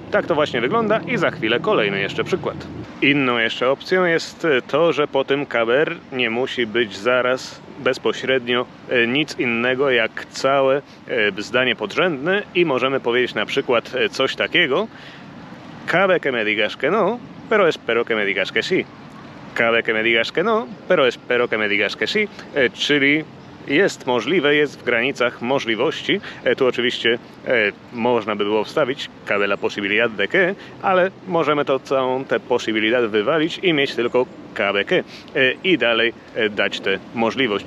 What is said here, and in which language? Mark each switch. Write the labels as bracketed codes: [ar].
[pl] Tak to właśnie wygląda i za chwilę kolejny jeszcze przykład. Inną jeszcze opcją jest to, że po tym caber nie musi być zaraz bezpośrednio nic innego jak całe zdanie podrzędne i możemy powiedzieć na przykład coś takiego: [es] cabe que me digas que no, pero espero que me digas que sí. Cabe que me digas que no, pero espero que me digas que sí. [pl] Czyli jest możliwe, jest w granicach możliwości. Tu oczywiście można by było wstawić [es] cabe la posibilidad de que, [pl] ale możemy to całą tę posibilidad wywalić i mieć tylko cabe que i dalej dać tę możliwość.